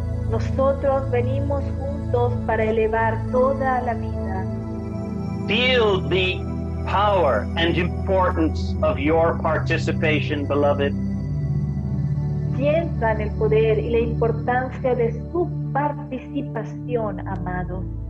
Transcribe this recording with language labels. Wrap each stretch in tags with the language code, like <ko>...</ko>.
<es>Nosotros venimos juntos para elevar toda la vida.</es> <en>Feel the power and importance of your participation, beloved.</en> <es>Sientan el poder y la importancia de su participación, amado.</es>